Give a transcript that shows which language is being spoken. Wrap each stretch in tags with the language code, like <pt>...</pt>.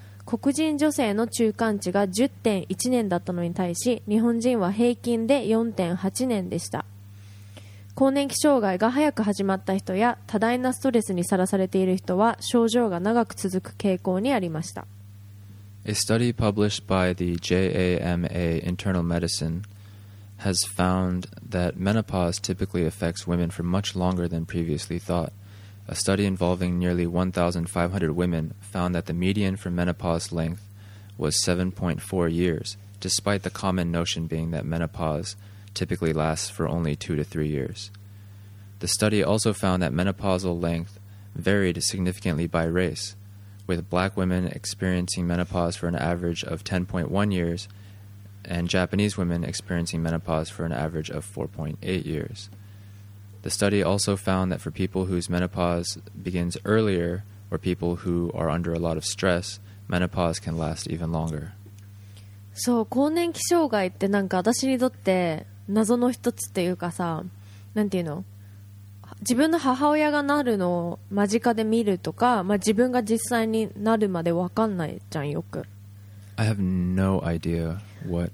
<ja>黒人女性の中間値が 10.1 年だったのに対し、日本人は平均で 4.8 年でした。更年期障害が早く始まった人や多大なストレスにさらされている人は症状が長く続く傾向にありました。</ja> <en>A study published by the JAMA Internal Medicine has found that menopause typically affects women for much longer than previously thought. A study involving nearly 1,500 women found that the median for menopause length was 7.4 years, despite the common notion being that menopause typically lasts for only 2 to 3 years. The study also found that menopausal length varied significantly by race. With black women experiencing menopause for an average of 10.1 years and Japanese women experiencing menopause for an average of 4.8 years. The study also found that for people whose menopause begins earlier or people who are under a lot of stress, menopause can last even longer.</en> <ja>そう、更年期障害ってなんか私にとって謎の一つっていうかさ、なんていうの？自分の母親がなるのを間近で見るとか、まあ、自分が実際になるまで分かんないじゃん、よく。</ja> <en>I have no idea what</en>